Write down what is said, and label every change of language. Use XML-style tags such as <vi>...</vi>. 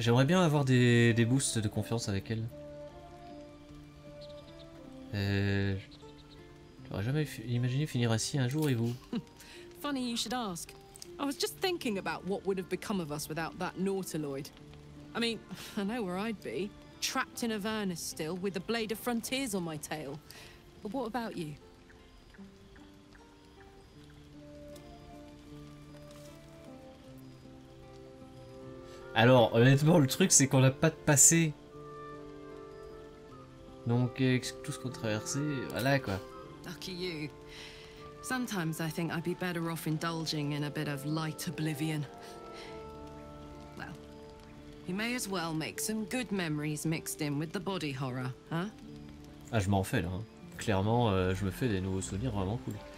<fr>J'aimerais bien avoir des boosts de confiance avec elle. J'aurais jamais imaginé finir ainsi un jour et vous.</fr> <en>Funny you should ask. I was just thinking about what would have become of us without that Nautiloid. I mean, I know where I'd be. Trapped in Avernus still, with the blade of frontiers on my tail. But what about you?</en> <fr>Alors, honnêtement, le truc, c'est qu'on n'a pas de passé. Donc, tout ce qu'on traversait, voilà quoi.</fr> <en>Lucky you. Sometimes I think I'd be better off indulging in a bit of light oblivion. Well, you may as well make some good memories mixed in with the body horror, hein?</en> <fr>Ah, je m'en fais là. Hein. Clairement, je me fais des nouveaux souvenirs vraiment cool.</fr>